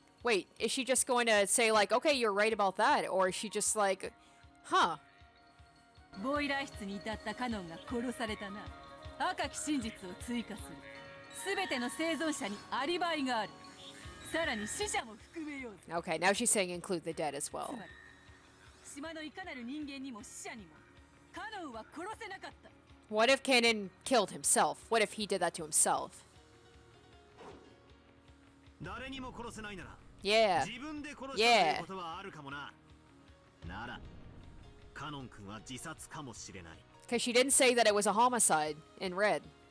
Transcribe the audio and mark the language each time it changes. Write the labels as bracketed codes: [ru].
[en] Wait, is she just going to say like, okay, you're right about that? Or is she just like, huh? [ja] ボイラー室に至ったカノンが殺されたな。赤き真実を追加する。すべての生存者にアリバイがある。さらに死者も含めよう。 [en] Okay, now she's saying include the dead as well. [ja] 島のいかなる人間にも死者にもカノンは殺せなかった。 [en] What if Cannon killed himself? What if he did that to himself? [ja] 誰にも殺せないなら、 [en] Yeah. [ja] 自分で殺したということはあるかもな。なら、カノン君は自殺かもしれない。 [en] Because she didn't say that it was a homicide in red.